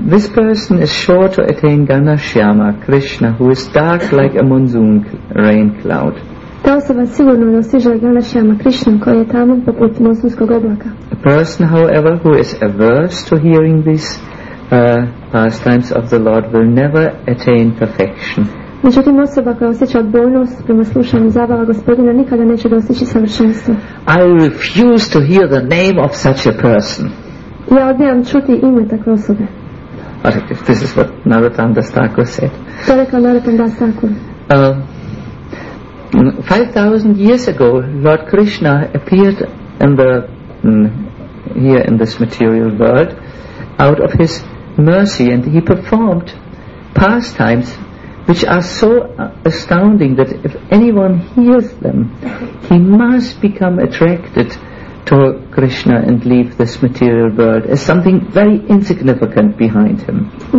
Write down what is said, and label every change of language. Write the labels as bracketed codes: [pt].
[en] This person is sure to attain Ganashyama, Krishna, who is dark like a monsoon rain cloud. [hr] Ta osoba sigurno dostiže Ganashyama Krishna koji je tamo poput monsunskog oblaka. [en] A person, however, who is averse to hearing these pastimes of the Lord will never attain perfection. [hr] Međutim, osoba koja osjeća odbojnost prema slušanju zabava gospodina nikada neće dostići savršenstva. [en] I refuse to hear the name of such a person. [hr] Ja odbijam čuti ime takve osobe. [en] This is what Narottam Dastakur said. [hr] To rekao Narottam Dastakur. [en] 5,000 years ago, Lord Krishna appeared in the here in this material world out of his mercy, and he performed pastimes which are so astounding that if anyone hears them, he must become attracted to Krishna and leave this material world as something very insignificant behind him.